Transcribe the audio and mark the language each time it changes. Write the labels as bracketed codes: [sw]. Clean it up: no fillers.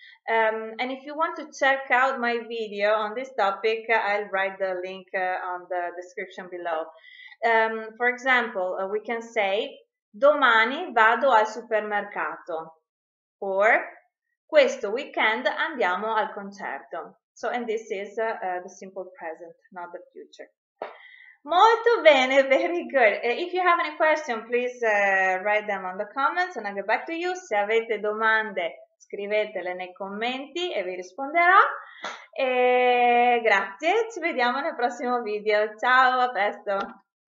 [en] And if you want to check out my video on this topic, I'll write the link on the description below. For example, we can say, [it] domani vado al supermercato, [en] or [it] questo weekend andiamo al concerto. [en] So, and this is the simple present, not the future. [it] Molto bene, [en] very good. If you have any questions, please write them on the comments and I'll get back to you. [it] Se avete domande, scrivetele nei commenti e vi risponderò. E grazie, ci vediamo nel prossimo video. Ciao, a presto!